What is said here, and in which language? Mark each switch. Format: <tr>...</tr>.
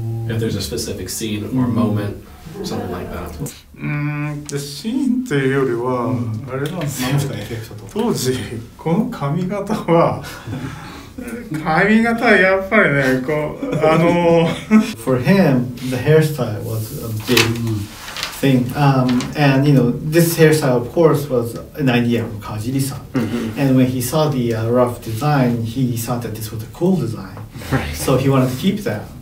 <en>If there's a specific scene or moment, something like that.</en> <ja>でシーンというよりは、あれなんですよ、当時、この髪型は、髪型はやっぱりね、こう、</ja> <en>For him, the hairstyle was a big thing. And, you know, this hairstyle, of course, was an idea of Kajiri-san. Mm-hmm. And when he saw the rough design, he thought that this was a cool design. Right. So he wanted to keep that.</en>